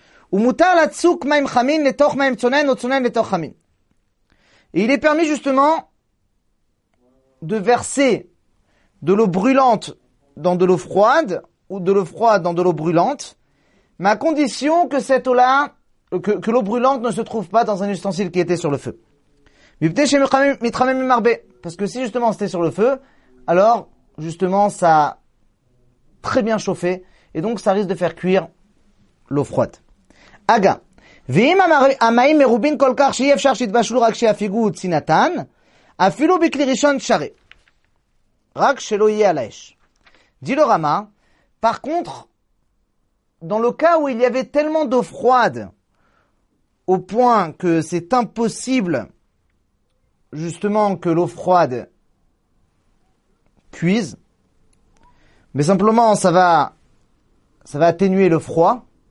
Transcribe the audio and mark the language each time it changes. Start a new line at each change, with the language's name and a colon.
French: Et il est permis justement de verser de l'eau brûlante dans de l'eau froide ou de l'eau froide dans de l'eau brûlante, mais à condition que cette eau-là, que l'eau brûlante ne se trouve pas dans un ustensile qui était sur le feu. Parce que si justement c'était sur le feu, alors justement ça a très bien chauffé et donc ça risque de faire cuire l'eau froide.
Hebrew: Aga, ואם המים מרובים כל כך שאי אפשר שיתבשלו רק שיפיגו צינתן, אפילו בכלי ראשון שרי. רק שלא יהיה על האש.
French: Dit le Rama, par contre, dans le cas où il y avait tellement d'eau froide, au point que c'est impossible, justement, que l'eau froide cuise, mais simplement, ça va atténuer le froid.